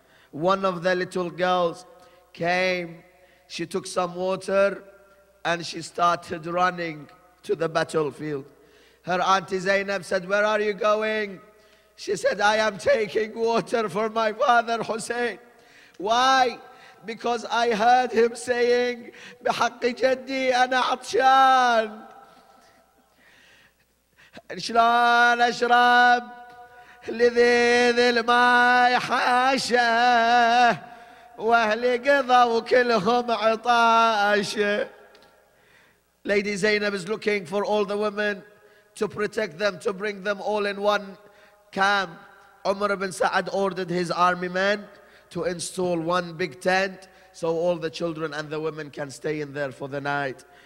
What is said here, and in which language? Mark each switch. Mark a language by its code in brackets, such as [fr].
[en] One of the little girls came, she took some water and she started running to the battlefield. Her auntie Zainab said, "Where are you going?" She said, "I am taking water for my father Hussein." Why? Because I heard him saying, [ar] "Bihaqqi jaddi ana atshan." شلون اشرب لذيذ الماء حاشا واهلي قضوا وكلهم عطاش. [en] Lady Zainab is looking for all the women to protect them, to bring them all in one camp. Umar ibn Sa'ad ordered his army men to install one big tent so all the children and the women can stay in there for the night.